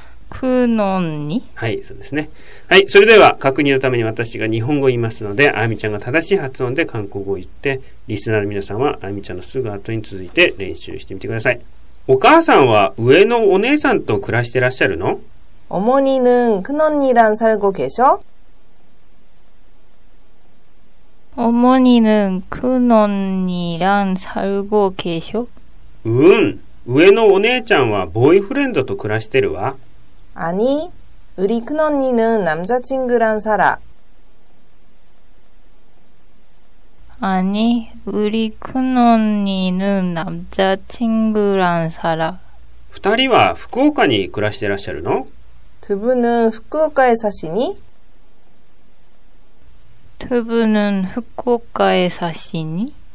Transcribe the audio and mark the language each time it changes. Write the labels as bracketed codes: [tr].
[ja] くのに。はい、そうですね。はい、それでは確認のために私が日本語を言いますので、あゆみちゃんが正しい発音で韓国語を言って、リスナーの皆さんはあゆみちゃんのすぐ後に続いて練習してみてください。お母さんは上のお姉さんと暮らしてらっしゃるの？ [ko] 어머니는큰언니랑살고계셔 어머니는큰언니랑살고계셔 [ja] 응上のお姉ちゃんはボーイフレンドと暮らしてるわ。 [ko] 아니우리큰언니는남자친구랑살아 아니우리큰언니는남자친구랑살아 [ja] 二人は福岡に暮らしてらっしゃるの？ [ko] 두분은후쿠오카에사시니 두분은후쿠오카에사시니